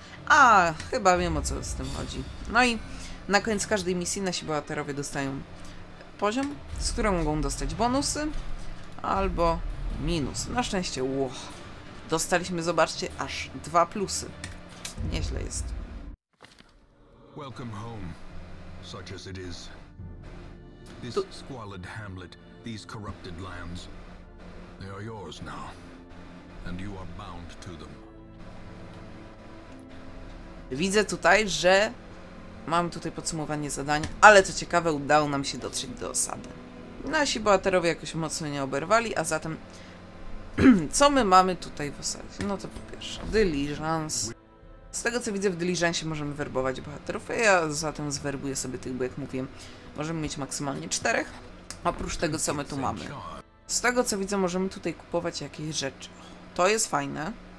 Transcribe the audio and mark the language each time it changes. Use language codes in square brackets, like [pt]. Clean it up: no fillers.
[pl] A, chyba wiem, o co z tym chodzi. No i na koniec każdej misji nasi bohaterowie dostają poziom, z którym mogą dostać bonusy albo minus. Na szczęście, dostaliśmy, zobaczcie, aż 2 plusy. Nieźle jest. [en] Welcome home, such as it is. This squalid hamlet, these corrupted lands, they are yours now, and you are bound to them. [pl] Widzę tutaj, że mam tutaj podsumowanie zadań, ale co ciekawe, udało nam się dotrzeć do osady. Nasi bohaterowie jakoś mocno nie oberwali, a zatem co my mamy tutaj w osadzie? No to po pierwsze, dyliżans. Z tego co widzę, w dyliżansie możemy werbować bohaterów, a ja zatem zwerbuję sobie tych, bo jak mówiłem, możemy mieć maksymalnie 4, oprócz tego co my tu mamy. Z tego co widzę, możemy tutaj kupować jakieś rzeczy. To jest fajne.